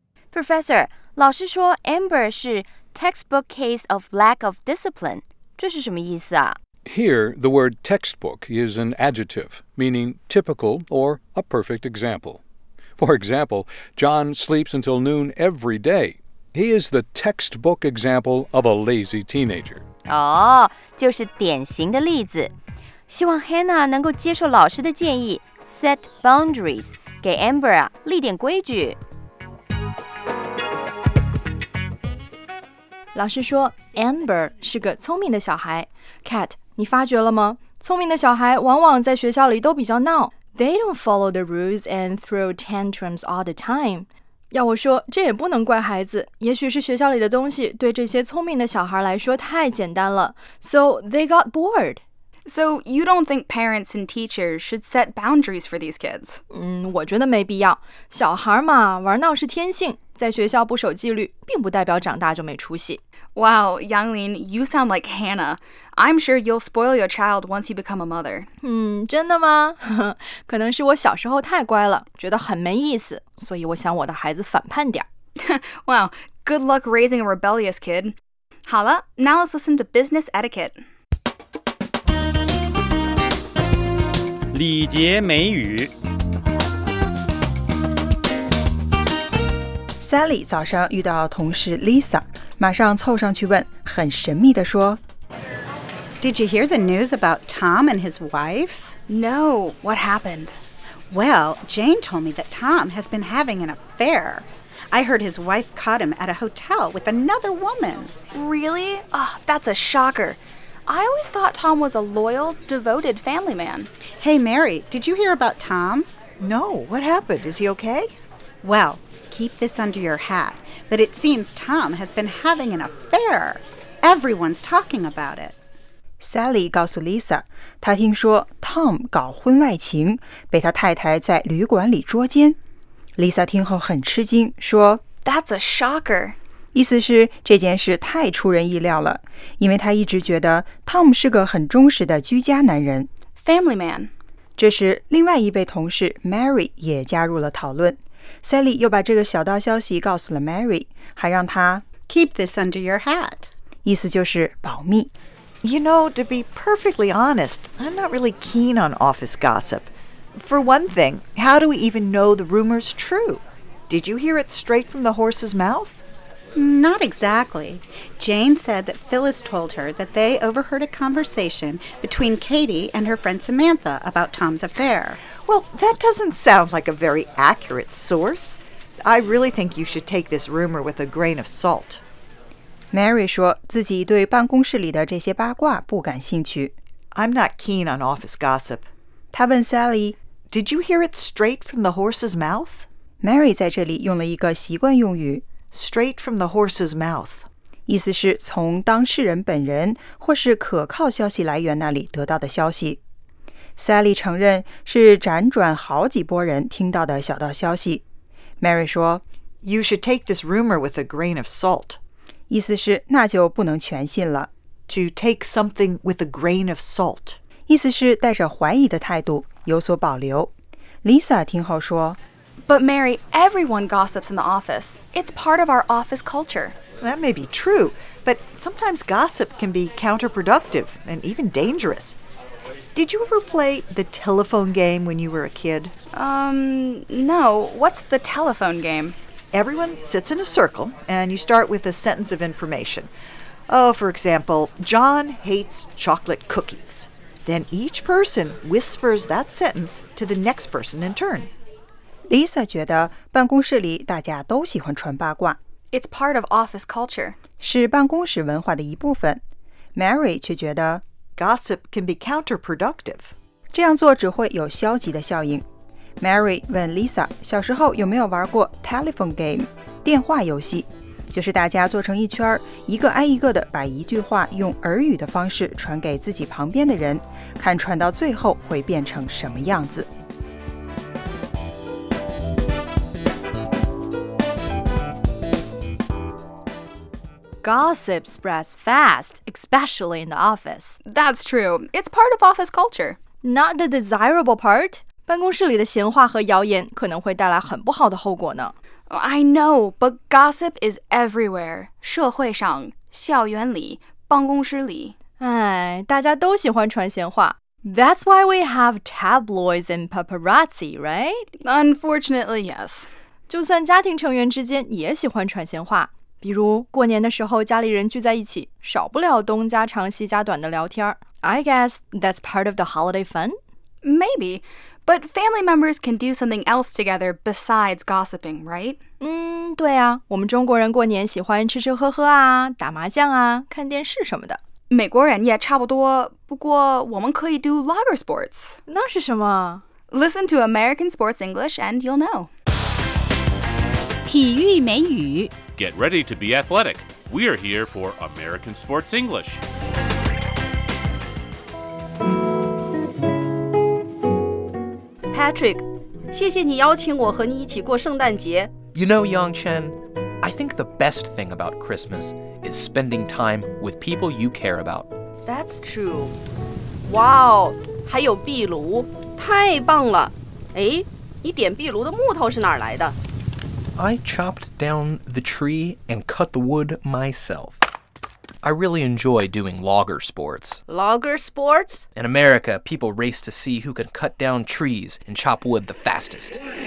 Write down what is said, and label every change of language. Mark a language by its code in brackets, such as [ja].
[zh] Professor, 老师说 Amber 是 [en] textbook case of lack of discipline. [zh] 这是什么意思啊？ [en] Here, the word textbook is an adjective, meaning typical or a perfect example. For example, John sleeps until noon every day. He is the textbook example of a lazy teenager. [zh] 哦，就是典型的例子。希望 Hannah 能够接受老师的建议 ， [en] set boundaries， [zh] 给 Amber 立点规矩。老师说 ，Amber 是个聪明的小孩。Cat， 你发觉了吗？聪明的小孩往往在学校里都比较闹 [en] ，They don't follow the rules and throw tantrums all the time。 [zh] 要我说，这也不能怪孩子，也许是学校里的东西对这些聪明的小孩来说太简单了 ， [en] so they got bored。 So you don't think parents and teachers should set boundaries for these kids? [zh] 我觉得没必要。小孩嘛，玩闹是天性，在学校不守纪律，并不代表长大就没出息。 [en] Wow, Yanglin, you sound like Hannah. I'm sure you'll spoil your child once you become a mother. [zh] 真的吗？可能是我小时候太乖了，觉得很没意思，所以我想我的孩子反叛点。 [en] Wow, good luck raising a rebellious kid. [zh] 好了 [en] now let's listen to business etiquette. [zh] 礼节美语 Sally 早上遇到同事 Lisa 马上凑上去问很神秘地说 [en] Did you hear the news about Tom and his wife? No, what happened? Well, Jane told me that Tom has been having an affair. I heard his wife caught him at a hotel with another woman. Really? Oh, that's a shocker. I always thought Tom was a loyal, devoted family man. Hey, Mary, did you hear about Tom? No, what happened? Is he okay? Well, keep this under your hat, but it seems Tom has been having an affair. Everyone's talking about it. [zh] Sally 告诉 Lisa, 她听说 Tom 搞婚外情,被他太太在旅馆里捉奸。 Lisa 听后很吃惊,说 [en] That's a shocker. [zh] 意思是这件事太出人意料了，因为他一直觉得 Tom 是个很忠实的居家男人 [en] ，Family man。 [zh] 这时，另外一位同事 Mary 也加入了讨论。 Sally 又把这个小道消息告诉了 Mary， 还让她 [en] keep this under your hat， [zh] 意思就是保密。 [en] You know, to be perfectly honest, I'm not really keen on office gossip. For one thing, how do we even know the rumor's true? Did you hear it straight from the horse's mouth? Not exactly. Jane said that Phyllis told her that they overheard a conversation between Katie and her friend Samantha about Tom's affair. Well, that doesn't sound like a very accurate source. I really think you should take this rumor with a grain of salt. [zh] Mary 说自己对办公室里的这些八卦不感兴趣。 [en] I'm not keen on office gossip. [zh] 她问 Sally, [en] Did you hear it straight from the horse's mouth? [zh] Mary 在这里用了一个习惯用语。 [en] Straight from the horse's mouth. [zh] 意思是从当事人本人或是可靠消息来源那里得到的消息。 Sally 承认是辗转好几波人听到的小道消息。 Mary 说 [en] You should take this rumor with a grain of salt. [zh] 意思是那就不能全信了。 [en] To take something with a grain of salt. [zh] 意思是带着怀疑的态度有所保留。 Lisa 听后说 [en] But Mary, everyone gossips in the office. It's part of our office culture. That may be true, but sometimes gossip can be counterproductive and even dangerous. Did you ever play the telephone game when you were a kid? No. What's the telephone game? Everyone sits in a circle, and you start with a sentence of information. Oh, for example, John hates chocolate cookies. Then each person whispers that sentence to the next person in turn. [zh] Lisa 觉得办公室里大家都喜欢传八卦， [en] It's part of office culture. [zh] 是办公室文化的一部分。 Mary 却觉得 [en] Gossip can be counterproductive. [zh] 这样做只会有消极的效应。Mary 问 Lisa 小时候有没有玩过 telephone game, 电话游戏。就是大家坐成一圈，一个挨一个的把一句话用耳语的方式传给自己旁边的人，看传到最后会变成什么样子。 [en] Gossip spreads fast, especially in the office. That's true. It's part of office culture. Not the desirable part. [zh] 办公室里的闲话和谣言可能会带来很不好的后果呢。 [en] I know, but gossip is everywhere. [zh] 社会上、校园里、办公室里。哎，大家都喜欢传闲话。 [en] That's why we have tabloids and paparazzi, right? Unfortunately, yes. [zh] 就算家庭成员之间也喜欢传闲话。比如过年的时候家里人聚在一起，少不了东家长西家短的聊天。 [en] I guess that's part of the holiday fun? Maybe. But family members can do something else together besides gossiping, right? [zh] 对啊，我们中国人过年喜欢吃吃喝喝啊，打麻将啊，看电视什么的。美国人也差不多，不过我们可以 [en] do lager sports. [zh] 那是什么？ [en] Listen to American Sports English and you'll know. [zh] 体育美语。 [en] Get ready to be athletic. We're here for American Sports English. [zh] Patrick, 谢谢你邀请我和你一起过圣诞节。 [en] You know, Yongchen, I think the best thing about Christmas is spending time with people you care about. That's true. [zh] Wow, 还有壁炉，太棒了。哎，你点壁炉的木头是哪儿来的？ [en] I chopped down the tree and cut the wood myself. I really enjoy doing logger sports. Logger sports? In America, people race to see who can cut down trees and chop wood the fastest.